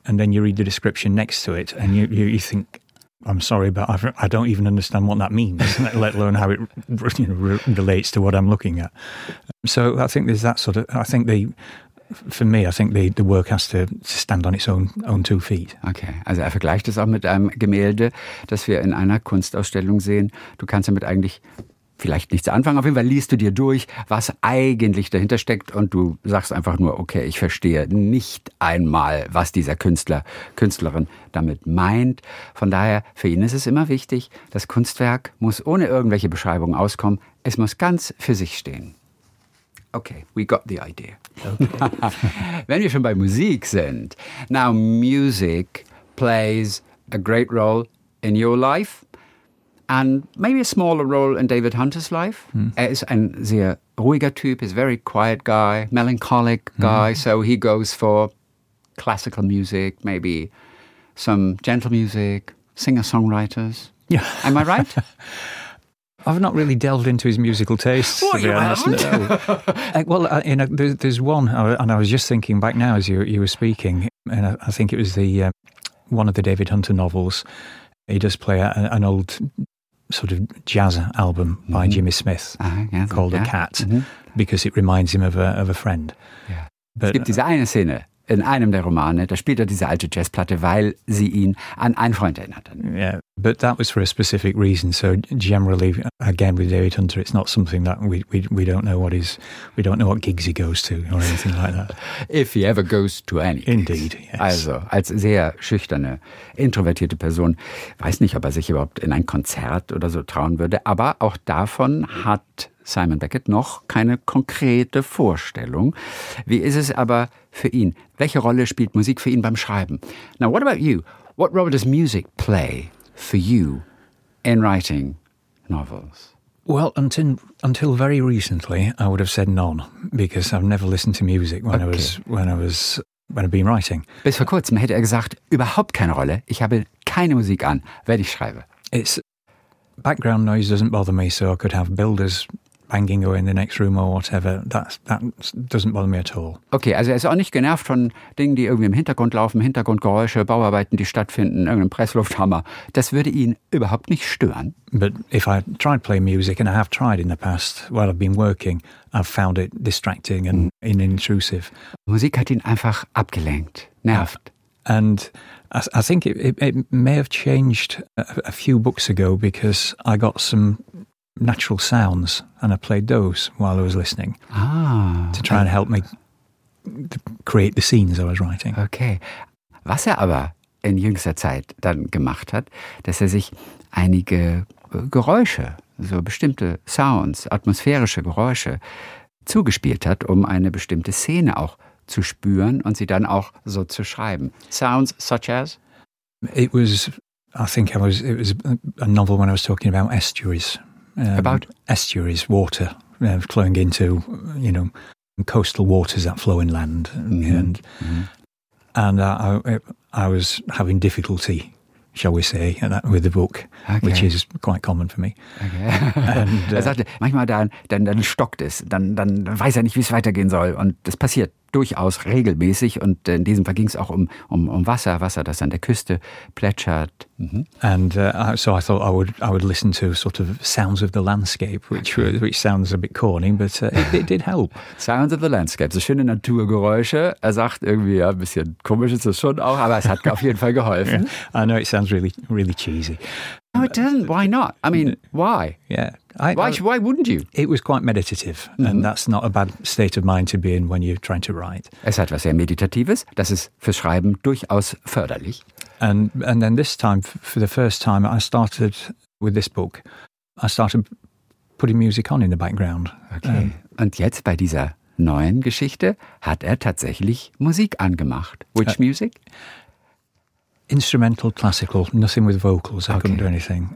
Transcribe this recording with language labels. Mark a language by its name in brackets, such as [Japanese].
[English] And then you read the description next to it and you think, I'm sorry, but I don't even understand what that means, let alone how it relates to what I'm looking at. So I think there's that sort of, for me, I think the work has to stand on its own two feet. [German] Okay, also er vergleicht es auch mit einem Gemälde, das wir in einer Kunstausstellung sehen. Du kannst damit eigentlich vielleicht nichts anfangen. Auf jeden Fall liest du dir durch, was eigentlich dahinter steckt und du sagst einfach nur, okay, ich verstehe nicht einmal, was dieser Künstlerin damit meint. Von daher, für ihn ist es immer wichtig, das Kunstwerk muss ohne irgendwelche Beschreibungen auskommen. Es muss ganz für sich stehen. [English] Okay, we got the idea. [German] Okay. Wenn wir schon bei Musik sind. [English] Now, music plays a great role in your life and maybe a smaller role in David Hunter's life. Mm. [German] Er ist ein sehr ruhiger Typ, [English] he's a very quiet guy, melancholic guy, so he goes for classical music, maybe some gentle music, singer-songwriters. Yeah. Am I right? I've not really delved into his musical tastes. What, to be you honest, haven't? No. there's one, and I was just thinking back now as you were speaking, and I think it was the one of the David Hunter novels. He does play an old sort of jazz album by mm-hmm. Jimmy Smith called A Cat, mm-hmm. because it reminds him of a friend. [German] Yeah. But, es gibt diese eine Szene in einem der Romane, da spielt er diese alte Jazzplatte, weil sie ihn an einen Freund erinnert. [English] Yeah, but that was for a specific reason. So generally, again with David Hunter, it's not something that we don't know what gigs he goes to or anything like that. If he ever goes to any. Indeed. Yes. [German] Also als sehr schüchterne, introvertierte Person, weiß nicht, ob er sich überhaupt in ein Konzert oder so trauen würde. Aber auch davon hat Simon Beckett noch keine konkrete Vorstellung. Wie ist es aber für ihn? Welche Rolle spielt Musik für ihn beim Schreiben? [English] Now, what about you? What role does music play for you in writing novels? Well, until very recently, I would have said none, because I've never listened to music when I've been writing. [German] Bis vor kurzem hätte er gesagt, überhaupt keine Rolle. Ich habe keine Musik an, wenn ich schreibe. [English] It's background noise doesn't bother me, so I could have builders banging away in the next room or whatever, that doesn't bother me at all. [German] Okay, also er ist auch nicht genervt von Dingen, die irgendwie im Hintergrund laufen, Hintergrundgeräusche, Bauarbeiten, die stattfinden, irgendein Presslufthammer. Das würde ihn überhaupt nicht stören. [English] But if I tried to play music, and I have tried in the past, while I've been working, I've found it distracting and intrusive. [German] Musik hat ihn einfach abgelenkt, nervt. [English] And I think it may have changed a few books ago, because I got some natural sounds, and I played those while I was listening to try and help me create the scenes I was writing. Okay. [German] Was er aber in jüngster Zeit dann gemacht hat, dass er sich einige Geräusche, so bestimmte Sounds, atmosphärische Geräusche zugespielt hat, um eine bestimmte Szene auch zu spüren und sie dann auch so zu schreiben. [English] Sounds such as? It was a novel when I was talking about estuaries. About estuaries, water flowing into, you know, coastal waters that flow inland, and I was having difficulty, shall we say, with the book, which is quite common for me. [German] Okay. And, er sagte, manchmal dann stockt es, dann weiß er nicht, wie es weitergehen soll, und das passiert durchaus regelmäßig. Und in diesem Fall ging es auch um Wasser, das an der Küste plätschert. [English] So I thought I would listen to sort of sounds of the landscape, which sounds a bit corny, but it did help. Sounds of the landscape, [German] so schöne Naturgeräusche. Er sagt irgendwie, ja, ein bisschen komisch ist das schon auch, aber es hat auf jeden Fall geholfen. [English] Yeah. I know it sounds really, really cheesy. No, it doesn't. Why not? I mean, why? Yeah. Why wouldn't you? It was quite meditative, and that's not a bad state of mind to be in when you're trying to write. [German] Es hat was sehr Meditatives. Das ist fürs Schreiben durchaus förderlich. [English] And then this time, for the first time, I started with this book. I started putting music on in the background. Okay. [German] Und jetzt bei dieser neuen Geschichte hat er tatsächlich Musik angemacht. [English] Which music? Instrumental, classical, nothing with vocals, I couldn't do anything.